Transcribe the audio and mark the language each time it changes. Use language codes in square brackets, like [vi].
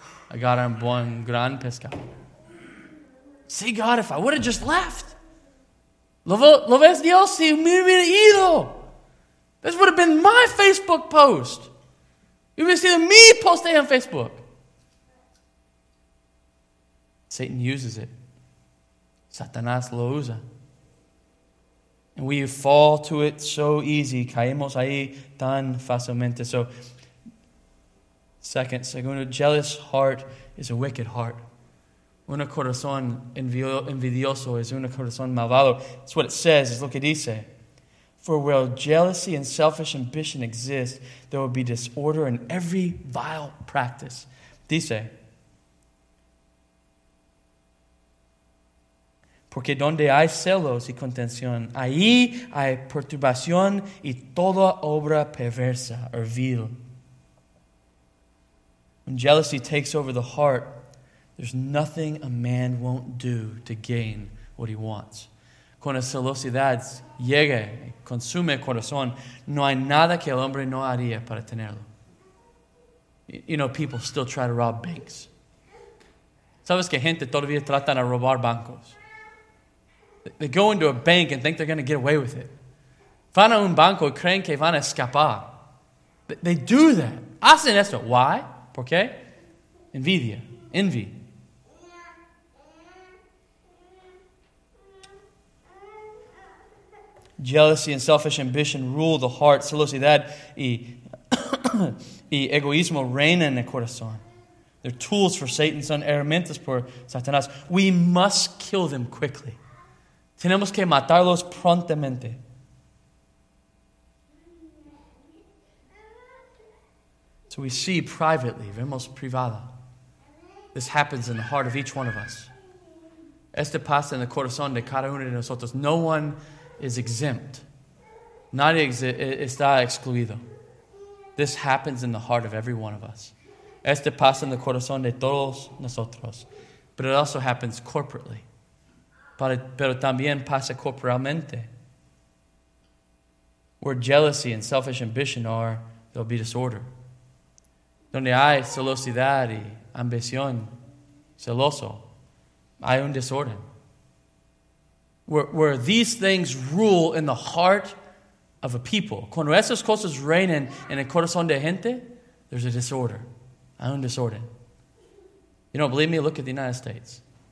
[es] Agarran buen gran pescado. [en] See, God, if I would have just left. [es] Lo ves, Dios, si me hubiera ido. [en] This would have been my Facebook post. You would have seen me posting on Facebook. Satan uses it. [es] Satanás lo usa. [en] And we fall to it so easy. [es] Caemos ahí tan fácilmente. [en] So, second, a jealous heart is a wicked heart. [es] Un corazón envidioso es un corazón malvado. [en] That's what it says. [es] Es lo que dice. [en] For where jealousy and selfish ambition exist, there will be disorder in every vile practice. [es] Dice, porque donde hay celos y contención, ahí hay perturbación y toda obra perversa or vil. [en] When jealousy takes over the heart, there's nothing a man won't do to gain what he wants. [es] Cuando la celosidad llega, consume el corazón, no hay nada que el hombre no haría para tenerlo. [en] You know, people still try to rob banks. [es] ¿Sabes que gente todavía tratan de robar bancos? [en] They go into a bank and think they're going to get away with it. [es] Van a un banco y creen que van a escapar. [en] They do that. [es] Hacen esto. [en] Why? [es] ¿Por qué? Envidia. [en] Envy. Jealousy and selfish ambition rule the heart. [es] Celosidad y egoísmo reinan el corazón. [en] They're tools for Satan, [es] son herramientas por Satanás. [en] We must kill them quickly. [es] Tenemos que matarlos prontamente. [en] So we see privately, [es] vemos privada. [en] This happens in the heart of each one of us. [es] Este pasa en el corazón de cada uno de nosotros. [en] No one is exempt. [es] Nadie está excluido. [en] This happens in the heart of every one of us. [es] Este pasa en el corazón de todos nosotros. [en] But it also happens corporately. [es] Pero también pasa corporalmente. [en] Where jealousy and selfish ambition are, there'll be disorder. [es] Donde hay celosidad y ambición, celoso, hay un desorden. [en] Where these things rule in the heart of a people. [es] Cuando esas cosas reinan en el corazón de gente, [en] there's a disorder. [es] Hay un desorden. [en] You don't believe me? Look at the United States.